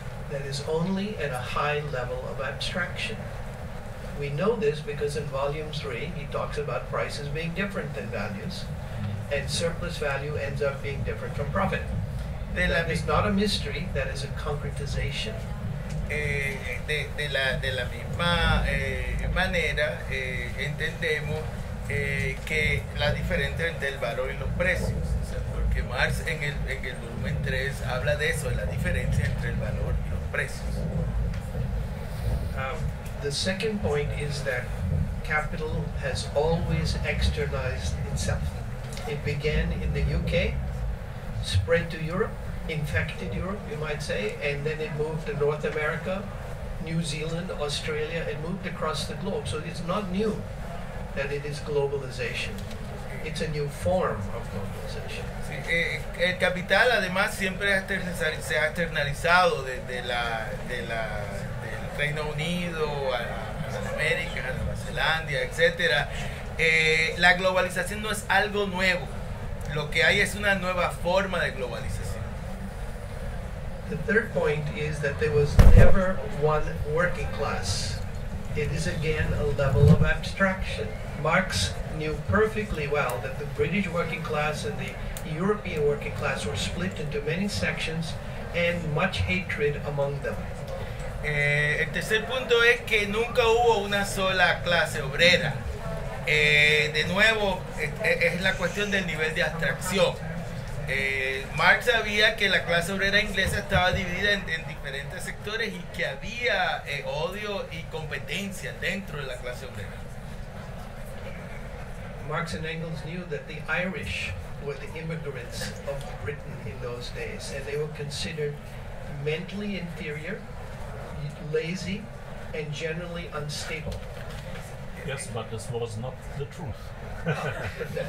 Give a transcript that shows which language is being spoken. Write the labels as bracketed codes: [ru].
[en] That is only at a high level of abstraction. We know this because in volume 3 he talks about prices being different than values, and surplus value ends up being different from profit. It's not a mystery, that is a concretization. [es] De la misma manera, entendemos que la diferencia entre el valor y los precios, o sea, porque Marx en el volumen 3 habla de eso, de la diferencia entre el valor y los precios. [en] The second point is that capital has always externalized itself. It began in the UK, spread to Europe, infected Europe, you might say, and then it moved to North America, New Zealand, Australia, it moved across the globe. So it's not new that it is globalization. It's a new form of globalization. [es] Sí, el capital además siempre se ha externalizado del Reino Unido a América, a Nueva Zelanda, etc. La globalización no es algo nuevo. Lo que hay es una nueva forma de globalización. [en] The third point is that there was never one working class. It is again a level of abstraction. Marx knew perfectly well that the British working class and the European working class were split into many sections and much hatred among them. [es] El tercer punto es que nunca hubo una sola clase obrera. De nuevo, es la cuestión del nivel de abstracción. Marx sabía que la clase obrera inglesa estaba dividida en diferentes sectores y que había odio y competencia dentro de la clase obrera. [en] Marx and Engels knew that the Irish were the immigrants of Britain in those days, and they were considered mentally inferior, lazy, and generally unstable. Yes, but this was not the truth.